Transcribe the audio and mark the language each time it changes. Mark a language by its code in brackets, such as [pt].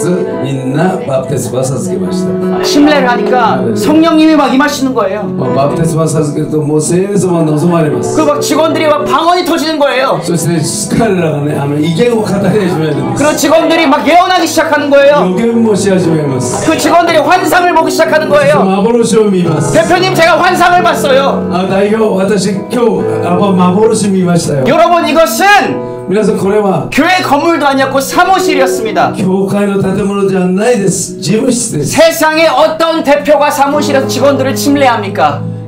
[ja] 全ての職人を一人ずつみんなバプテスマを授けました. [ko] 침례를 하니까 성령님이 막 임하시는 거예요. [ja] バプテスマを授けるともう聖霊様が望まれます. [ko] 그리고 막 직원들이 막 방언이 터지는 거예요. [ja] そして彼らがね、異言を語り始めるんです. [ko] 그리고 직원들이 막 예언하기 시작하는 거예요. [ja] 予言もし始めます. [ko] 그 직원들이 환상을 보기 시작하는 거예요. [ja] 幻を見ます. [ko] 대표님 제가 환상을 봤어요. [ja] 代表私今日幻見ましたよ. [ko] 여러분 이것은 [ja] 그래서 これは [ko] 교회 건물도 아니었고 사무실이었습니다. [ja] 교회의 建物じゃないです.事務室です. [ko] 세상에 어떤 대표가 사무실에서 직원들을 침례합니까?